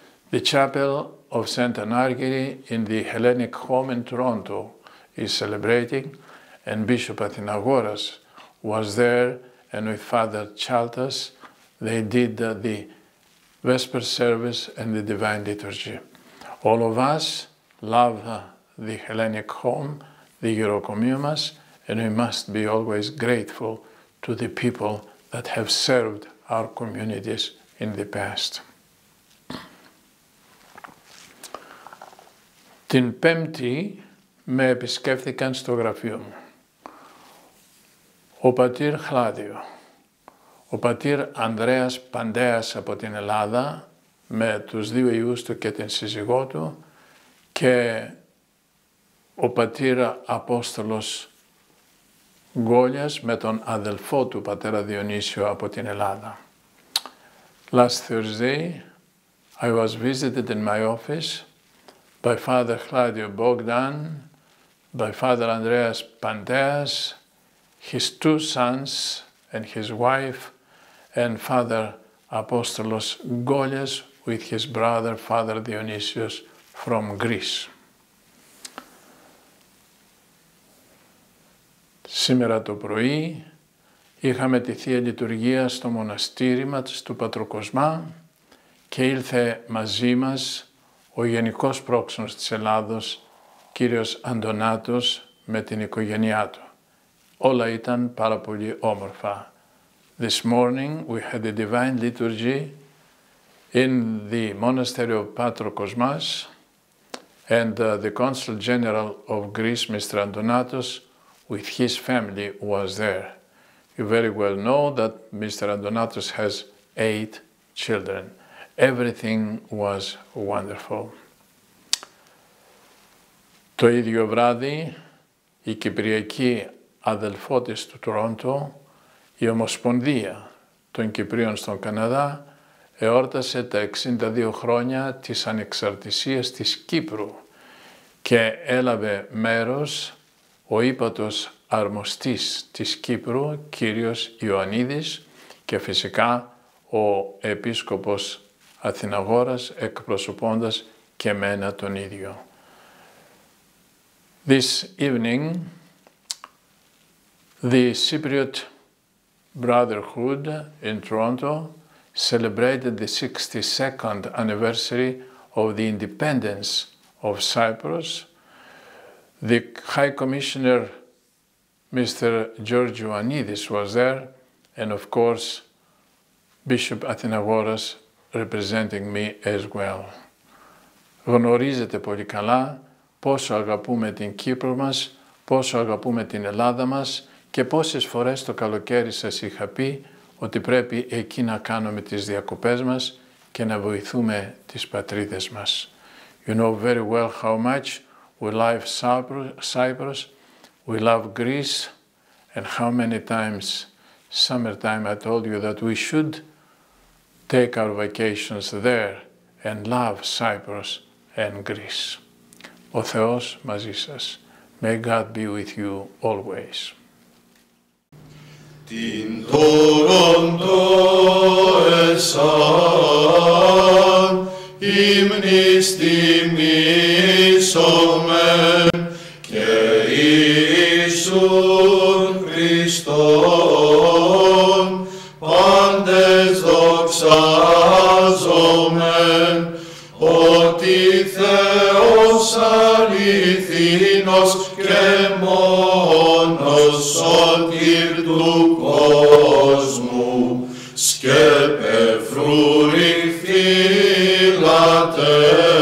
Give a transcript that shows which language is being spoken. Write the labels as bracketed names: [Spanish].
[English] The chapel of Saint Anargyri in the Hellenic home in Toronto is celebrating, and Bishop Athinagoras was there, and with Father Chaltas, they did the Vesper service and the Divine Liturgy. All of us love the Hellenic home, the Gerokomio mas, and we must be always grateful to the people that have served our communities in the past. [Greek] Την Πέμπτη με επισκέφθηκαν στο γραφείο μου ο πατήρ Χλάδιο, ο πατήρ Ανδρέας Παντέας από την Ελλάδα με τους δύο υιούς του και την σύζυγό του και ο πατήρ Απόστολος Γκόλιας με τον αδελφό του πατέρα Διονύσιο από την Ελλάδα. [English] Last Thursday, I was visited in my office by Father Claudio Bogdan, by Father Andreas Panteas, his two sons and his wife, and Father Apostolos Gólias with his brother Father Dionysios from Greece. [Greek] Σήμερα το πρωί είχαμε τη Θεία Λειτουργία στο μοναστήρι μας του Πατροκοσμά και ήλθε μαζί μας ο Γενικός Πρόξενος της Ελλάδος, κύριος Αντωνάτος, με την οικογένειά του. Όλα ήταν πάρα πολύ όμορφα. [English] This morning we had a Divine Liturgy in the Monastery of Patrokosmas and the Consul General of Greece, Mr. Antonatos, with his family was there. You very well know that Mr. Antonatos has 8 children. Everything was wonderful. [Greek] Το ίδιο βράδυ η Κυπριακή Αδελφότητα του Τορόντο, η Ομοσπονδία των Κυπρίων στον Καναδά, εόρτασε τα 62 χρόνια της ανεξαρτησίας της Κύπρου και έλαβε μέρος ο ύπατος αρμοστής της Κύπρου, κύριος Ιωαννίδης, και φυσικά ο επίσκοπος Αθηναγόρας εκπροσωπώντας και μένα τον ίδιο. [English] This evening, the Cypriot Brotherhood in Toronto celebrated the 62nd anniversary of the independence of Cyprus. The High Commissioner, Mr. George Ioannidis, was there, and of course, Bishop Athinagoras representing me as well. [Greek] Γνωρίζετε πολύ καλά πόσο αγαπούμε την Κύπρο μας, πόσο αγαπούμε την Ελλάδα μας και πόσες φορές το καλοκαίρι σας είχα πει ότι πρέπει εκεί να κάνουμε τις διακοπές μας και να βοηθούμε τις πατρίδες μας. [English] You know very well how much we love Cyprus, we love Greece, and how many times summertime I told you that we should take our vacations there and love Cyprus and Greece. [Greek] Ο Θεός μαζί σας. [English] May God be with you always. Την τόρον το εσάν ημνης τιμήσομεν και [Greek] Ιησούν Χριστόν πάντες δοξάζομεν ότι Θεός αληθινός και μόνος σωτήρ του κόσμου σκέπε φρουρηχθή λατέ